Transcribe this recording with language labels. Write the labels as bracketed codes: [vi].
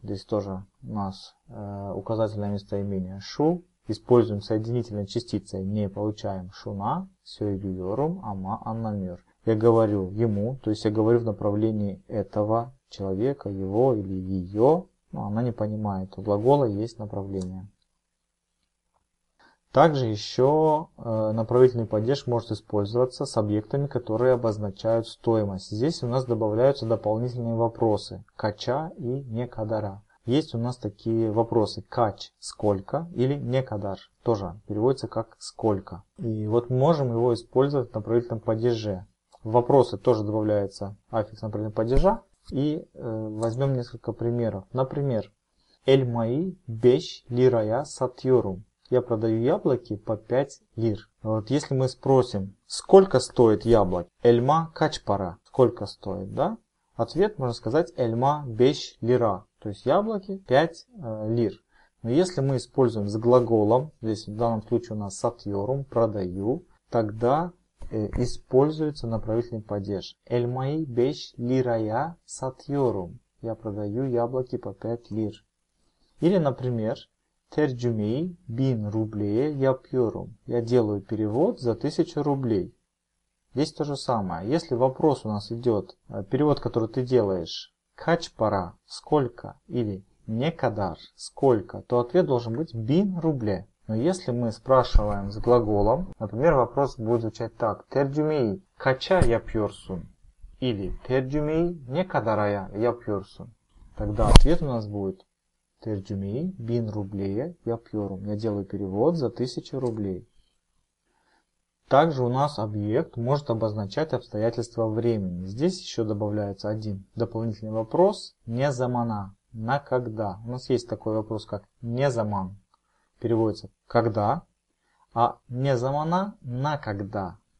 [ru] Здесь тоже у нас указательное местоимение şu. Используем соединительной частицей, не получаем [tr] şuna söylüyorum ama anlamıyor. [ru] Я говорю ему, то есть я говорю в направлении этого человека, его или ее, но она не понимает. У глагола есть направление. Также еще направительный падеж может использоваться с объектами, которые обозначают стоимость. Здесь у нас добавляются дополнительные вопросы. Кача и некадара. Есть у нас такие вопросы. Кач – сколько или некадар. Тоже переводится как сколько. И вот мы можем его использовать в направительном падеже. В вопросы тоже добавляется аффикс направительного падежа. И возьмем несколько примеров. [tr] Например, «El mai beş liraya satıyorum». [ru] Я продаю яблоки по 5 лир. Вот если мы спросим, сколько стоит яблок? [tr] «Elma kaç para?» [ru] Сколько стоит, да? Ответ можно сказать [tr] «Elma beş lira». [ru] То есть яблоки 5 лир. Но если мы используем с глаголом, здесь в данном случае у нас «satıyorum» – «продаю», тогда используется направительный падеж. [tr] El mai beş liraya satıyorum. [ru] Я продаю яблоки по 5 лир. Или, например, [tr] tercümeyi bin rubleye yapıyorum. [ru] Я делаю перевод за 1000 рублей. Здесь то же самое. Если вопрос у нас идет, перевод, который ты делаешь, [tr] kaç para, [ru] сколько, или [tr] ne kadar, [ru] сколько, то ответ должен быть [tr] bin ruble. [ru] Но если мы спрашиваем с глаголом, например, вопрос будет звучать так. [tr] Tercümeyi kaça yapıyorsun? Или tercümeyi ne kadara yapıyorsun? [ru] Тогда ответ у нас будет. [tr] Tercümeyi bin rubleye yapıyorum. [ru] Я делаю перевод за 1000 рублей. Также у нас объект может обозначать обстоятельства времени. Здесь еще добавляется один дополнительный вопрос. Не замана. На когда? У нас есть такой вопрос, как не заман. Переводится «когда», а «не замана» – «на когда».